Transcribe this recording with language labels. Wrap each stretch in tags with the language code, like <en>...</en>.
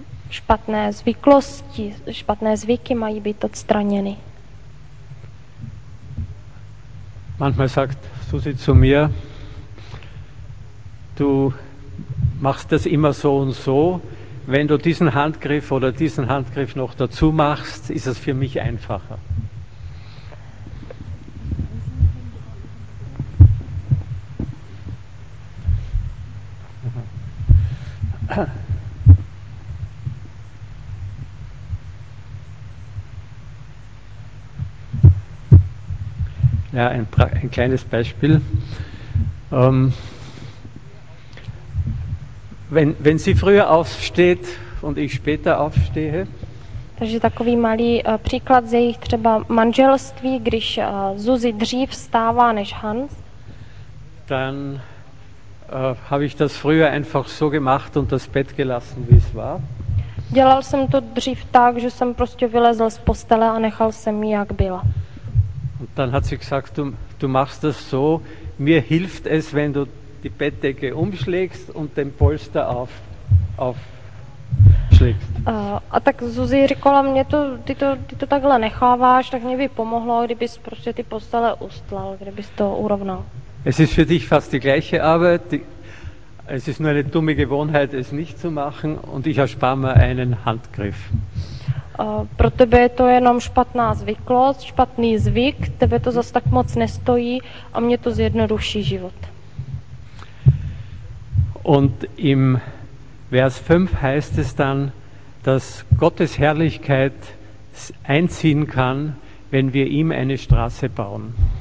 <cs>Špatné zvyklosti, špatné zvyky mají být odstraněny.</cs> <de>Manchmal sagt Susi zu mir, du machst das immer so und so, wenn du diesen Handgriff oder diesen Handgriff noch dazu machst, ist es für mich einfacher. Ja, ein kleines Beispiel. Wenn sie früher aufsteht und ich später aufstehe.</de> <cs>Takže takový malý příklad z jejich třeba manželství, když Zuzi dřív vstává než Hans.</cs> <de>Dann habe ich das früher einfach so gemacht und das Bett gelassen, wie es war.</de> <cs>Dělal jsem to dřív tak, že jsem prostě vylezl z postele a nechal jsem ji, jak byla.</cs> <de>Und dann hat sie gesagt, du machst das so, mir hilft es, wenn du die Bettdecke umschlägst und den Polster aufschlägst.</de> <cs>A tak Zuzi říkala, mě to, ty to takhle necháváš, tak mě by pomohlo, kdybys prostě ty postele ustlal, kdybys to urovnal.</cs> <de>Es ist für dich fast die gleiche Arbeit, es ist nur eine dumme Gewohnheit, es nicht zu machen und ich erspare mir einen Handgriff.</de> <cs>Pro tebe je to jenom špatná zvyklost, špatný zvyk, tebe to zas tak moc nestojí a mě to zjednoduší život.</cs> <de>Und im Vers 5 heißt es dann, dass Gottes Herrlichkeit einziehen kann, wenn wir ihm eine Straße bauen.</de>